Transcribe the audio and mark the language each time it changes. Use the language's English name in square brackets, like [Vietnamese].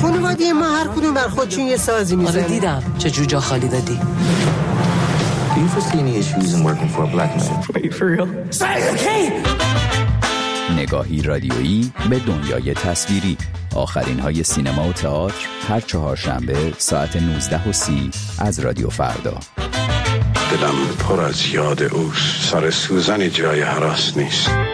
[Persian] خانواده ما هر کدوم بر خودشون یه سازی میزن. آره دیدم چه جوجا خالی دادی. [English] Do you foresee any issues in working for a black man? Are you for real? Say okay. [Persian] نگاهی رادیویی به دنیای تصویری، آخرین های سینما و تئاتر هر چهارشنبه ساعت 19:30 از رادیو فردا. دلم پر از یاد اوست، سر سوزنی جای هراس نیست.